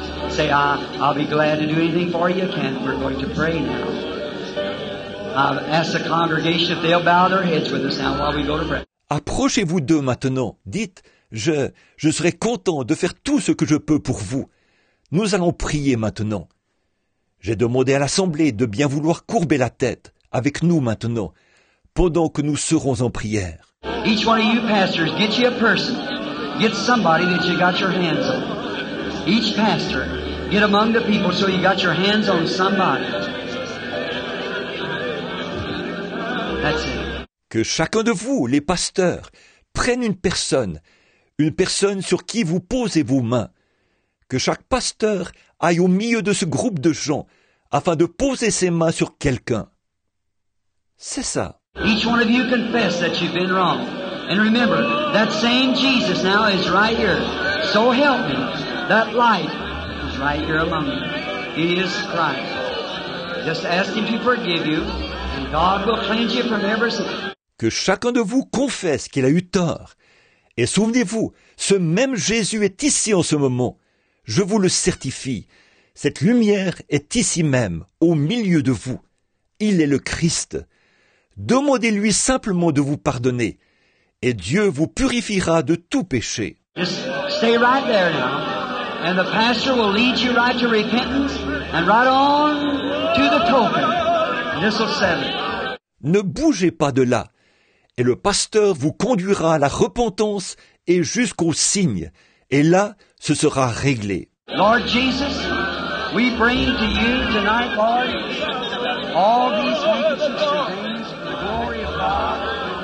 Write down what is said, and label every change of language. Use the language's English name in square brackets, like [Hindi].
[English] Say, I'll be glad to do anything for you, Ken. We're going to pray now. I've asked the congregation if they'll bow their heads with us now while we go to pray. [French] Approchez-vous d'eux maintenant. Dites, je serai content de faire tout ce que je peux pour vous. Nous allons prier maintenant. J'ai demandé à l'Assemblée de bien vouloir courber la tête avec nous maintenant, pendant que nous serons en prière. [English] Each one of you pastors, get you a person. Get somebody that you got your hands on. Each pastor, get among the people so you got your hands on somebody. That's it. [French] Que chacun de vous, les pasteurs, prenne une personne sur qui vous posez vos mains. Que chaque pasteur aille au milieu de ce groupe de gens afin de poser ses mains sur quelqu'un. C'est ça. [English] Each one of you confess that you've been wrong. And remember, that same Jesus now is right here. So help me, that light is right here among you. He is Christ. Just ask Him to forgive you, and God will cleanse you from every sin. [French] Que chacun de vous confesse qu'il a eu tort. Et souvenez-vous, ce même Jésus est ici en ce moment. Je vous le certifie. Cette lumière est ici même, au milieu de vous. Il est le Christ. Demandez-lui simplement de vous pardonner. Et Dieu vous purifiera de tout péché. [English] Just stay right there now. And the pastor will lead you right to repentance and right on to the token. And this will settle. [French] Ne bougez pas de là. Et le pasteur vous conduira à la repentance et jusqu'au signe. Et là, ce sera réglé. [English] Lord Jesus, we bring to you tonight, Lord, all these things and things, the glory of God.